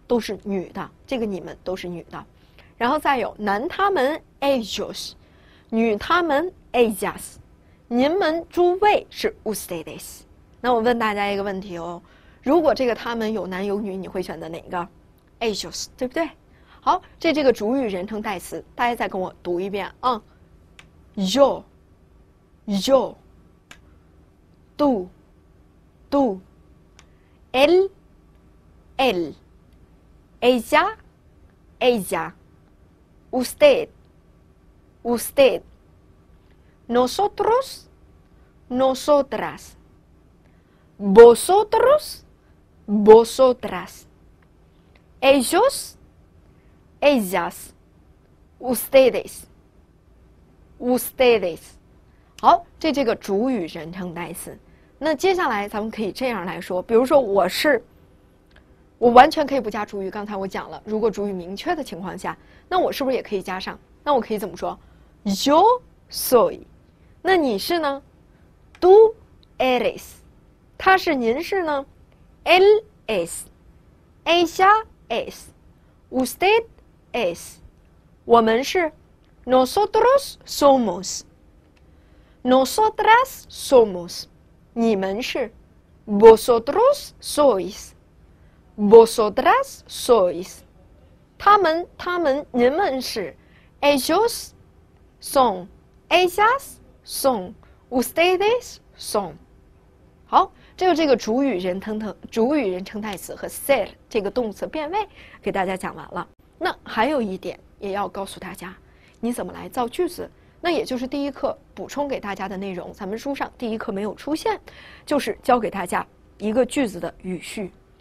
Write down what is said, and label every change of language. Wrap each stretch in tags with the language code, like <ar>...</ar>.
<zh>都是女的，这个你们都是女的。然后再有男他们 ellos， 女他们 ellas， 您们诸位是 ustedes。那我问大家一个问题哦，如果这个他们有男有女，你会选择哪个？ ellos， 对不对？好，这个主语人称代词，大家再跟我读一遍啊、嗯、yo yoDo, do,</zh> <es>él, él, ella, ella, usted, usted, nosotros, nosotras, vosotros, vosotras, ellos, ellas, ustedes, ustedes.</es> <zh>好，这个主语人称代词。那接下来咱们可以这样来说，比如说我完全可以不加主语，刚才我讲了，如果主语明确的情况下，那我是不是也可以加上？那我可以怎么说 ？</zh> <es>Yo soy，</es> <zh>那你是呢 ？</zh> <es>Tú eres，</es> <zh>他是您是呢 ？</zh> <es>Él es， ella es， usted es，</es> <zh>我们是 ，</zh> <es>nosotros somos， nosotras somos。</es> <zh>你们是 ，</zh> <es>vosotros sois， vosotras sois，</es> <zh>他们，你们是 ，</zh> <es>ellos son， ellas son， ustedes son。</es> <zh>好，这个主语人称代词和 ser 这个动词变位给大家讲完了。那还有一点也要告诉大家，你怎么来造句子？那也就是第一课补充给大家的内容，咱们书上第一课没有出现，就是教给大家一个句子的语序。</zh>